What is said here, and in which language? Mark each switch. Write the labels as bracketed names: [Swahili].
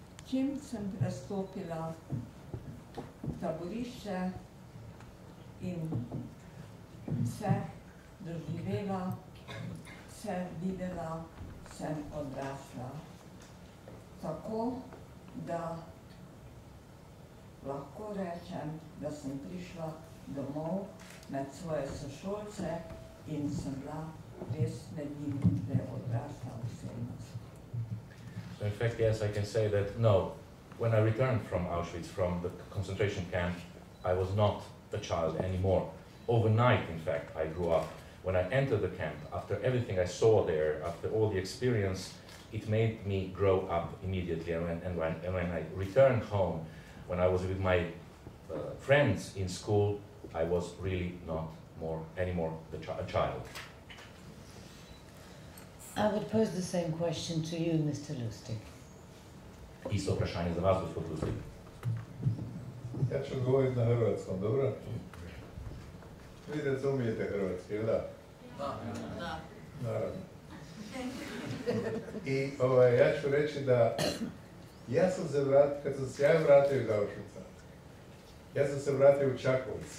[Slovenian] Čim sem prestopila taborišče in vse doživela, vse videla, sem odrasla. Tako, da lahko rečem, da sem prišla domov med svoje sošolce in sem bila res med njim, da je odrasla osebnost. [English] So in fact, yes, I can say that no, when I returned from Auschwitz, from the concentration camp, I was not a child anymore. Overnight, in fact, I grew up. when I entered the camp, after everything I saw there, after all the experience, it made me grow up immediately. And when I returned home, when I was with my friends in school, I was really not anymore a child. I would pose the same question to you, Mr. Lustig. [Slovenian] Isto vprašanje za vas, gospod Lustig. [Croatian] Ja ću govoriti na hrvatskom, dobro? Vi razumijete hrvatski, jel da? Da. Naravno. I ja ću reći da ja sam se vratio, kad sam se ja vratio iz Auschwitza, ja sam se vratio u Čakovec.